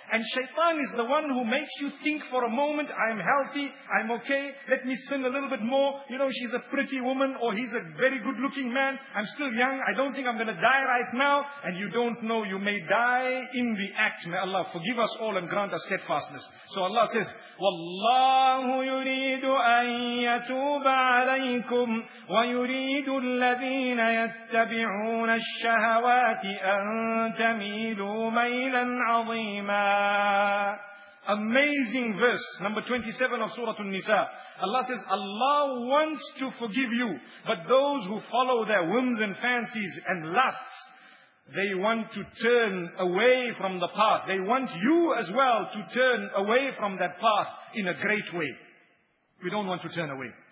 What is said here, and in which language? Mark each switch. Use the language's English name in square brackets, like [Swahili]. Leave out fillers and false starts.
[English] And shaitan is the one who makes you think for a moment, I am healthy, I am okay, let me sin a little bit more. You know, she's a pretty woman or he's a very good looking man. I'm still young, I don't think I'm going to die right now. And you don't know, you may die in the act. May Allah forgive us all and grant us steadfastness. So Allah says, [Arabic] وَاللَّهُ يُرِيدُ أَن يَتُوبَ عَلَيْكُمْ وَيُرِيدُ الَّذِينَ يَتَّبِعُونَ الشَّهَوَاتِ أَن تَمِيلُوا مَيْلًا عَظِيمًا. [English] Amazing verse, number 27 of Surah An-Nisa. Allah says, Allah wants to forgive you, but those who follow their whims and fancies and lusts, they want to turn away from the path. They want you as well to turn away from that path in a great way. We don't want to turn away.